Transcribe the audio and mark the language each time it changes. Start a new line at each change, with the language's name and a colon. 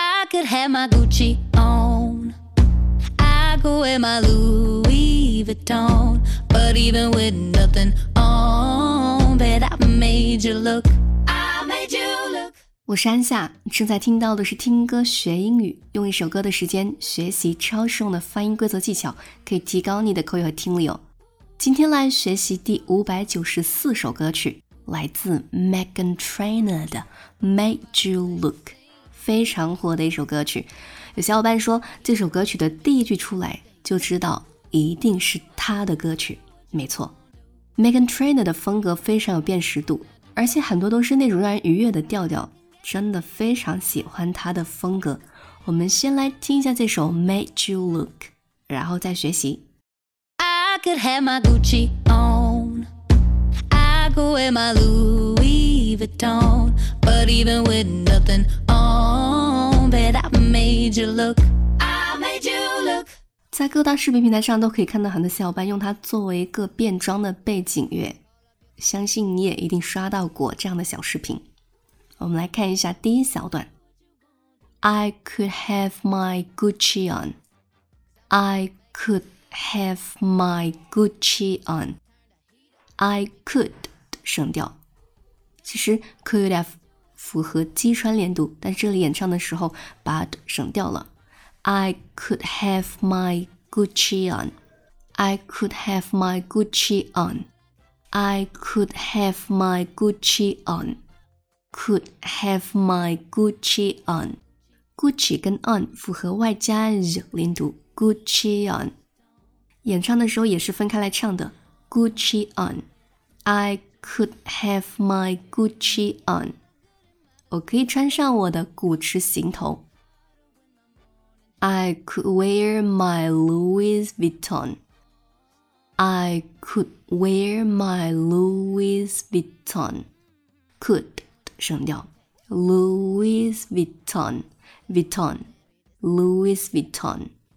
English: could have my Gucci on, I could wear my Louis Vuitton. But even with nothing on, bet I made you look. I made you look.
Chinese: 我是安夏，正在听到的是听歌学英语，用一首歌的时间学习超实用的发音规则技巧，可以提高你的口语和听力哦。今天来学习第594首歌曲，来自 Meghan Trainor 的 Made You Look， 非常火的一首歌曲。有小伙伴说，这首歌曲的第一句出来就知道一定是他的歌曲。没错， Meghan Trainor 的风格非常有辨识度，而且很多都是那种让人愉悦的调调，真的非常喜欢他的风格。我们先来听一下这首 Made You Look， 然后再学习。
English: I could have my Gucci on, I could wear my Louis Vuitton. But even with nothing on, bet I made you look. I made you look.
Chinese: 在各大视频平台上都可以看到很多小伙伴用它作为一个变装的背景乐，相信你也一定刷到过这样的小视频。我们来看一下第一小段。
English: I could have my Gucci on. I couldHave my Gucci on. I could
Chinese: 省掉，其实
English: could have
Chinese: 符合击穿连读，但这里演唱的时候 but 省掉了。
English: I could have my Gucci on. I could have my Gucci on. I could have my Gucci on. Could have my Gucci on.
Chinese: Gucci 跟 on 符合外加 z 连读，
English: Gucci on.
Chinese: 演唱的时候也是分开来唱的
English: Gucci on. I could have my Gucci on.
Chinese: 我可以穿上我的古驰行头。
English: I could wear my Louis Vuitton. I could wear my Louis Vuitton.
Chinese: Could 省掉
English: Louis Vuitton. Vuitton Louis Vuitton.